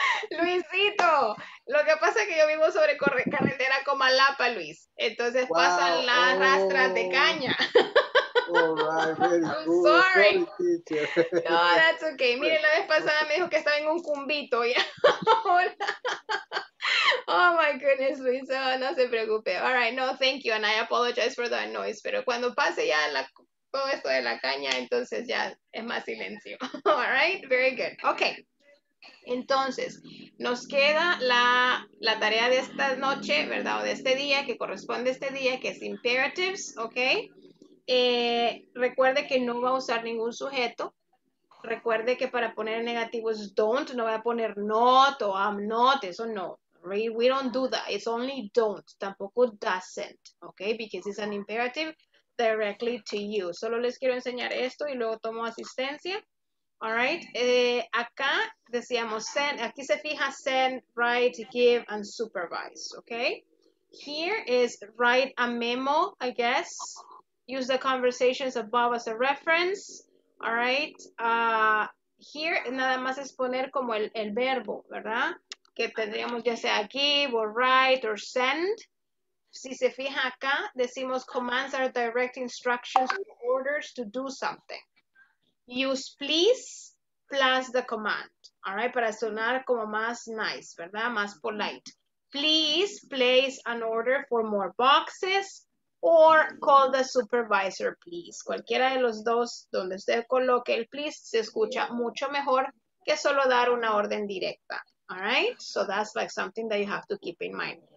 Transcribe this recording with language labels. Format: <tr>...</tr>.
<es>Luisito, lo que pasa es que yo vivo sobre carretera Comalapa, Luis. Entonces wow. Pasan las rastras de caña.</es> <en>All right, very good. I'm sorry. No, that's okay.</en> <es>Miren, la vez pasada me dijo que estaba en un cumbito. Y ahora...</es> <en>Oh my goodness,</en> <es>Luis. Oh, no se preocupe.</es> <en>All right, no, thank you. And I apologize for that noise.</en> <es>Pero cuando pase ya la... todo esto de la caña, entonces ya es más silencio.</es> <en>All right, very good. Okay.</en> <es>Entonces, nos queda la tarea de esta noche, ¿verdad? O de este día, que corresponde a este día, que es imperatives, ¿ok? Recuerde que no va a usar ningún sujeto. Recuerde que para poner en negativo es don't, no va a poner not o I'm not, eso no.</es> <en>We don't do that, it's only don't,</en> <es>tampoco</es> <en>doesn't, ¿ok? Because it's an imperative directly to you.</en> <es>Solo les quiero enseñar esto y luego tomo asistencia.</es> <en>All right,</en> <es>acá decíamos send, aquí se fija send,</es> <en>write, give, and supervise, okay? Here is write a memo, I guess. Use the conversations above as a reference, all right?</en> <es>Here nada más es poner como el verbo, ¿verdad? Que tendríamos ya sea give,</es> <en>or write, or send.</en> <es>Si se fija acá, decimos</es> <en>commands are direct instructions or orders to do something. Use please plus the command, all right?</en> <es>Para sonar como más nice, ¿verdad? Más polite.</es> <en>Please place an order for more boxes or call the supervisor, please.</en> <es>Cualquiera de los dos donde usted coloque el please se escucha mucho mejor que solo dar una orden directa,</es> <en>all right? So that's like something that you have to keep in mind.</en>